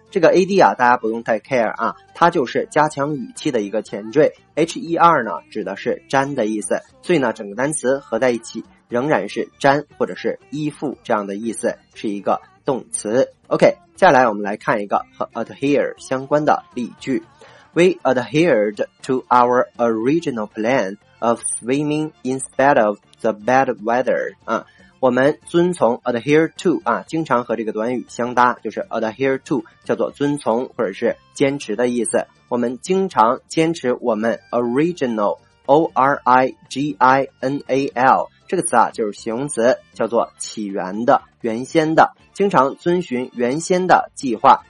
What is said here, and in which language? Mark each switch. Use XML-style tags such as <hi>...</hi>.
<zh>这个 AD 啊大家不用太 care 啊，它就是加强语气的一个前缀， HER 呢指的是粘的意思，所以呢整个单词合在一起仍然是粘或者是依附这样的意思，是一个动词。 OK, 接下来我们来看一个和 adhere 相关的例句。</zh> <en>We adhered to our original plan of swimming in spite of the bad weather.</en> <zh>啊，我们遵从 adhere to 啊，经常和这个短语相搭，就是 adhere to 叫做遵从或者是坚持的意思。我们经常坚持我们 original, O-R-I-G-I-N-A-L, 这个词啊就是形容词，叫做起源的、原先的，经常遵循原先的计划。</zh>